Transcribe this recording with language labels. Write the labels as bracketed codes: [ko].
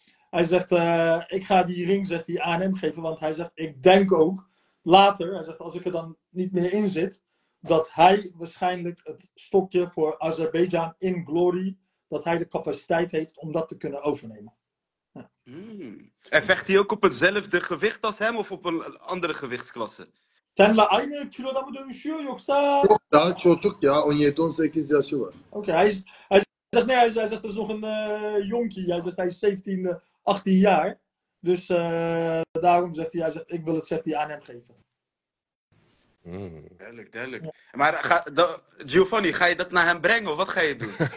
[nl] Hij zegt, ik ga die ring, zegt hij, aan hem geven, want hij zegt, ik denk ook, later, hij zegt, als ik er dan niet meer in zit, dat hij waarschijnlijk het stokje voor Azerbeidzjan in glory, dat hij de capaciteit heeft om dat te kunnen overnemen. En vecht hij ook op hetzelfde gewicht als hem of op een andere gewichtsklasse? Zijn we [tr] aynı kiloda mı dövüşüyor yoksa? Ja, çocuk ya, 17-18 yaşı var. [nl] Oké, hij zegt dat is nog een jonkie. Hij zegt hij is 17, 18 jaar. Dus daarom zegt hij, ik wil het, zegt hij, aan hem geven. Duidelijk. Ja. Maar Giovanni, ga je dat naar hem brengen of wat ga je doen?